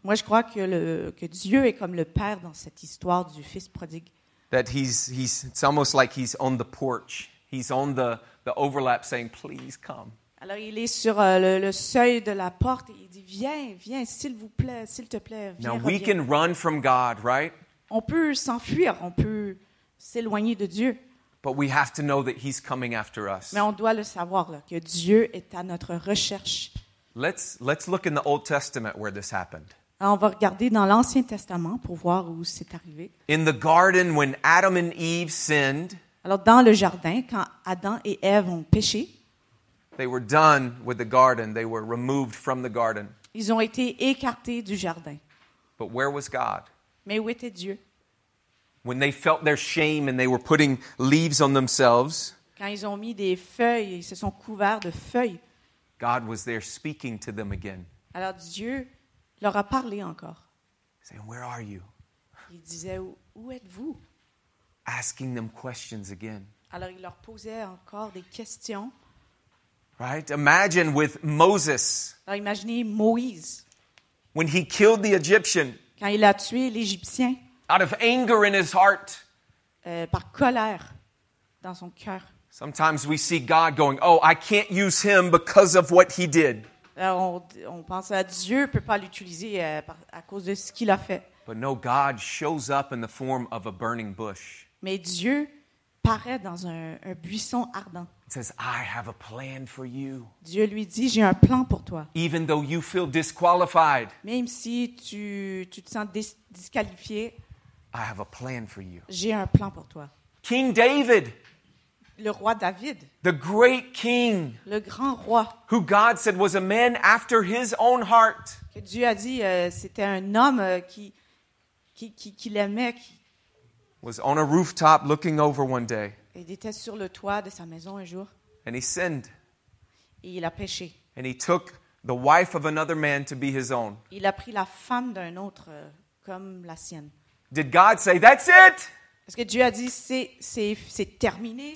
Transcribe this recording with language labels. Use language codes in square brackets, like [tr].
[fr] Moi je crois que Dieu est comme le père dans cette histoire du fils prodigue. [en] That he's it's almost like he's on the porch. He's on the overlap saying please come. [fr] Alors il est sur le seuil de la porte et il dit viens s'il vous plaît, s'il te plaît, viens. [en] Now [fr] reviens. [en] We can run from God, right? [fr] On peut s'enfuir, on peut s'éloigner de Dieu. [en] But we have to know that he's coming after us. [fr] Mais on doit le savoir là, que Dieu est à notre recherche. [en] Let's look in the Old Testament where this happened. [fr] Alors, on va regarder dans l'Ancien Testament pour voir où c'est arrivé. [en] In the garden when Adam and Eve sinned. [fr] Alors dans le jardin quand Adam et Ève ont péché. [en] They were done with the garden. They were removed from the garden. [fr] Ils ont été écartés du jardin. [en] But where was God? [fr] Mais où était Dieu? [en] When they felt their shame and they were putting leaves on themselves. [fr] Quand ils ont mis des feuilles, ils se sont couverts de feuilles. [en] God was there speaking to them again. [fr] Alors Dieu leur a parlé encore. [en] Saying, where are you? [fr] Il disait, où êtes-vous? [en] Asking them questions again. [fr] Alors il leur posait encore des questions. [en] Right? Imagine with Moses. [fr] Alors imaginez Moïse. [en] When he killed the Egyptian. [fr] Quand il a tué l'Égyptien. [en] Out of anger in his heart. [fr] Par colère dans son cœur. [en] Sometimes we see God going, oh, I can't use him because of what he did. [fr] On pense à Dieu peut pas l'utiliser à cause de ce qu'il a fait. [en] But no, God shows up in the form of a burning bush. [fr] Mais Dieu paraît dans un buisson ardent. [en] He says, I have a plan for you. [fr] Dieu lui dit, j'ai un plan pour toi. [en] Even though you feel disqualified. [fr] Même si tu te sens disqualifié. [en] I have a plan for you. [fr] J'ai un plan pour toi. [en] King David. [fr] Le roi David. [en] The great king. [fr] Le grand roi. [en] Who God said was a man after his own heart. [fr] Que Dieu a dit c'était un homme qui l'aimait. [en] Was on a rooftop looking over one day. [fr] Il était sur le toit de sa maison un jour. [en] And he sinned. [fr] Et il a péché. [en] And he took the wife of another man to be his own. [fr] Il a pris la femme d'un autre comme la sienne. [en] Did God say, that's it? [fr] Est-ce que Dieu a dit, c'est terminé?